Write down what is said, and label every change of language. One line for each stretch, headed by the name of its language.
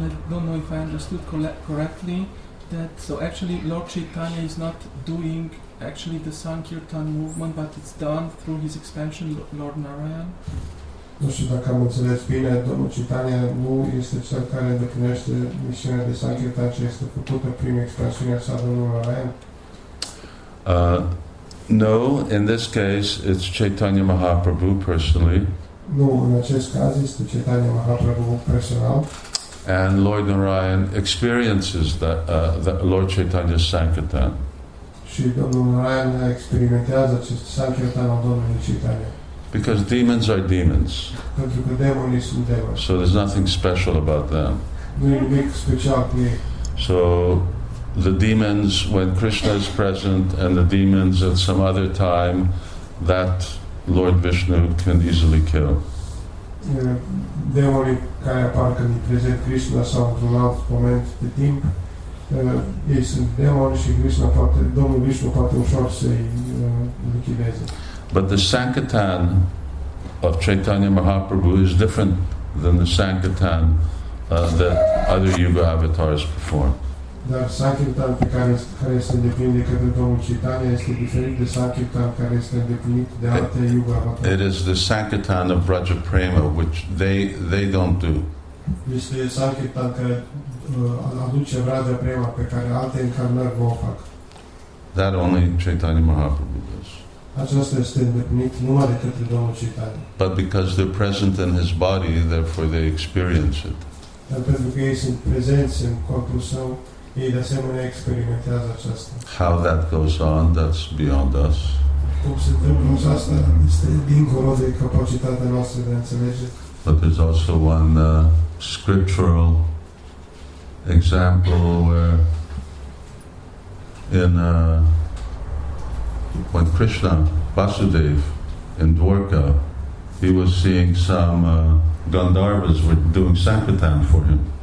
English: I don't know if I understood correctly. So actually, Lord Chaitanya is not doing actually the Sankirtan movement, but it's done through his expansion, Lord Narayan.
Romanian: Nu știu dacă am înțeles bine. Domnul Chaitanya nu este cel care îndeplinește misiunea de Sankirtan, ci este făcută prin expansiunea sa, Domnul Narayan.
English: No, in this case, it's Chaitanya Mahaprabhu personally.
Romanian: Nu, în acest caz este Chaitanya Mahaprabhu personal.
English: And Lord Narayan experiences that Lord Chaitanya's Sankirtan.
Romanian: Și Domnul Narayan experimentează acest Sankirtan al Domnului Chaitanya.
English: Because demons are demons.
Romanian: Pentru că demonii sunt demoni.
English: So there's nothing special about them.
Romanian: Nu e nimic special cu ei.
English: So the demons, when Krishna is present, and the demons at some other time, that Lord Vishnu can easily kill.
Romanian: Demonii care apar când îi prezent Krishna sau într-un alt moment de timp, ei sunt demoni și Krishna poate, Domnul Vishnu poate ușor să-i lichideze.
English: But the Sankirtan of Chaitanya Mahaprabhu is different than the Sankirtan that other Yuga avatars perform.
Romanian: dar sankirtan pe care este îndeplinit de către Domnul Chaitanya este diferit de sankirtan care este îndeplinit de alte yuga avatare.
English: It is the sankirtan of Braja Prema, which they don't do.
Romanian: Este sankirtan care aduce Braja Prema pe care alte încarnări nu o fac.
English: That only Chaitanya Mahaprabhu does.
Romanian: Aceasta este îndeplinit numai de către Domnul Chaitanya.
English: But because they're present in his body, therefore they experience it.
Romanian: Dar pentru că ei sunt prezenți în corpul său, ei de asemenea experimentează aceasta.
English: How that goes on, that's beyond us.
Romanian: Cum se întâmplă aceasta, este dincolo de capacitatea noastră de a înțelege.
English: But there's also one scriptural example where in when Krishna Vasudev in Dwarka, he was seeing some Gandharvas were doing sankirtan for him.